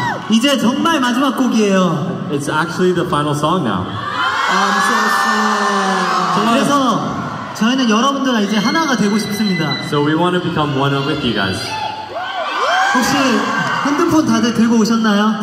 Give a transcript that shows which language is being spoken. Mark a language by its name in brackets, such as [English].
[Korean] 이제 정말 마지막 곡이에요. [English] It's actually the final song now. I'm so sad. [Korean] 그래서 저희는 여러분들과 이제 하나가 되고 싶습니다. [English] So we want to become one with you guys. [Korean] 혹시 핸드폰 다들 들고 오셨나요?